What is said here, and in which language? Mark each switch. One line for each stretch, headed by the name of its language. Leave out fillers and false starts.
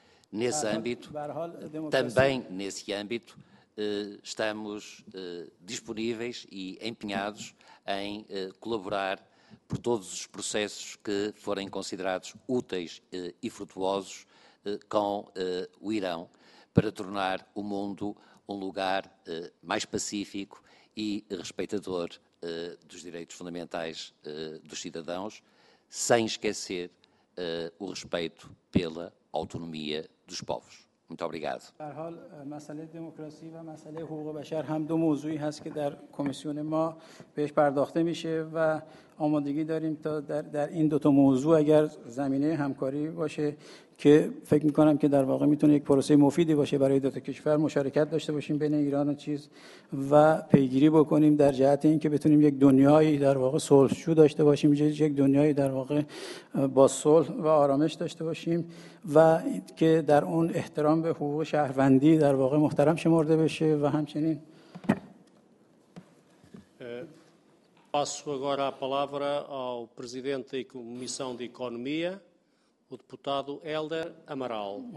Portuguese: Nesse âmbito, também nesse âmbito, estamos disponíveis e empenhados em colaborar por todos os processos que forem considerados úteis e frutuosos com o Irão, para tornar o mundo um lugar mais pacífico e respeitador dos direitos fundamentais dos cidadãos, sem esquecer o respeito pela autonomia dos povos. Muito obrigado.
Persian: در حال مسئله دموکراسی و مسئله حقوق بشر هم دو موضوعی هست که در کمیسیون ما بهش پرداخته میشه و آمادگی داریم تا در این دو تا موضوع اگر زمینه همکاری باشه که فکر میکنم که در واقع میتونه یک پروسه مفیدی باشه برای دو تا کشور مشارکت داشته باشیم بین ایران و چین و پیگیری بکنیم در جهت اینکه بتونیم یک دنیایی در واقع صلح‌جو داشته باشیم، یک دنیایی در واقع با صلح و آرامش داشته باشیم و که در اون احترام به حقوق شهروندی در واقع محترم شمرده بشه. و همچنین
Portuguese: passo agora a palavra ao presidente da Comissão de Economia, o deputado Hélder Amaral.